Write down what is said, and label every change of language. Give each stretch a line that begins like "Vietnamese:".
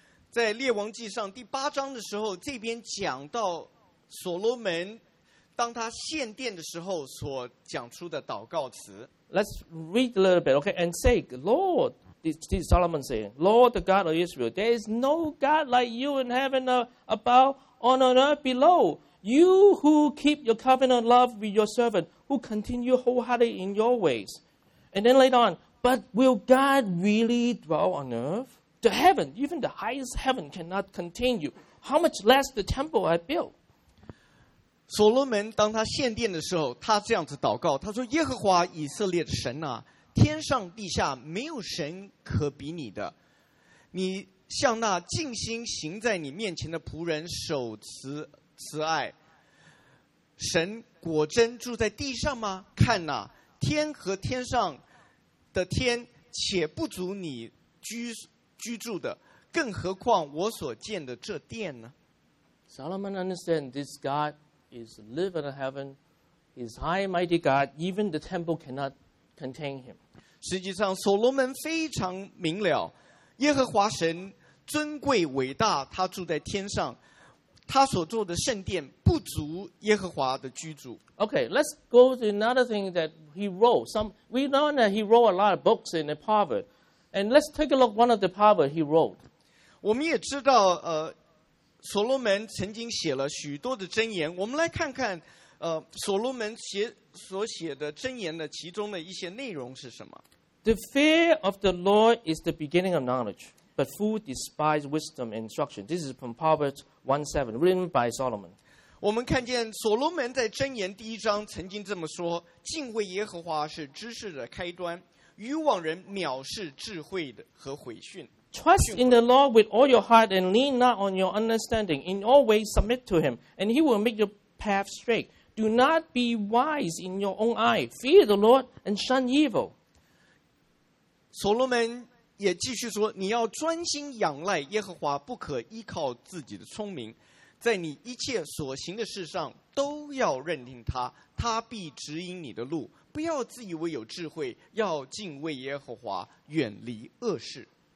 Chinese: 在列王记上第八章的时候，这边讲到所罗门当他献殿的时候所讲出的祷告词。
English: Let's read a little bit, okay? And say, Lord, this is Solomon saying, Lord, the God of Israel, there is no God like you in heaven above, on earth below. You who keep your covenant love with your servant, who continue wholehearted in your ways. And then later on, but will God really dwell on earth? The heaven, even the highest heaven, cannot contain you. How much less the temple I built?
Chinese: 所罗门当他献殿的时候，他这样子祷告，他说：“耶和华以色列的神啊，天上地下没有神可比你的。你向那尽心行在你面前的仆人守慈爱，神果真住在地上吗？看哪，天和天上的天，且不足你居住的，更何况我所建的这殿呢？
English: Solomon understands this God is living in heaven, his high mighty God, even the temple cannot contain him.
Chinese: 实际上所罗门非常明了，耶和华神尊贵伟大，他住在天上，他所做的圣殿不足耶和华的居住。
English: Okay, let's go to another thing that he wrote. We know that he wrote a lot of books in the Proverb. And let's take a look at one of the proverbs he wrote.
Chinese: 我们也知道，所罗门曾经写了许多的箴言。我们来看看，所罗门所写的箴言的其中的一些内容是什么。
English: The fear of the Lord is the beginning of knowledge, but fools despise wisdom and instruction. This is from Proverbs 1:7, written by Solomon.
Chinese: 我们看见所罗门在箴言第一章曾经这么说：敬畏耶和华是知识的开端。愚妄人藐视智慧的和毁训。
English: Trust in the Lord with all your heart and lean not on your understanding. In all ways submit to him, and he will make your path straight. Do not be wise in your own eye. Fear the Lord and shun evil.
Chinese: 所罗门也继续说，你要专心仰赖耶和华，不可依靠自己的聪明，在你一切所行的事上都要认定他，他必指引你的路，不要自以为有智慧，要敬畏耶和华，远离恶事。